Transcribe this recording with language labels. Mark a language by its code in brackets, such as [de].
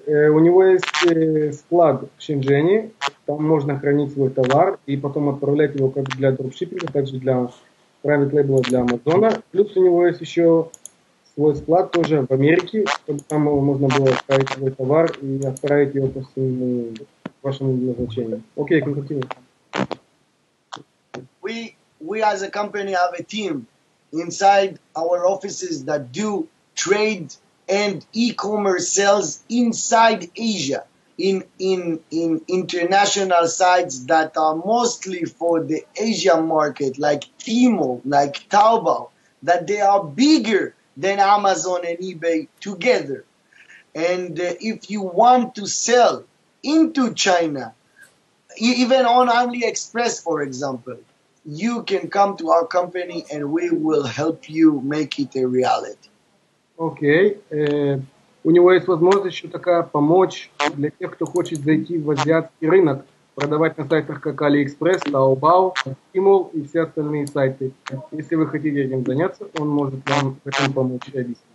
[ru] У него есть склад в Шэньчжэне. Там можно хранить свой товар и потом отправлять его как для дропшиппинга, так же для private label для Amazon. Плюс у него есть еще свой склад тоже в Америке, чтобы там можно было отправить свой товар и отправить его по всему миру. [en] Okay, we as a company have a team inside our offices that do trade and e-commerce sales inside Asia in international sites that are mostly for the Asia market, like Tmall, like Taobao, that they are bigger than Amazon and eBay together. And if you want to sell into China, even on AliExpress, for example, you can come to our company and we will help you make it a reality. Okay. [ru] У него есть возможность еще такая помочь для тех, кто хочет зайти в азиатский рынок, продавать на сайтах как AliExpress, Taobao, Tmall и все остальные сайты. Если вы хотите этим заняться, он может вам этим помочь и объяснить.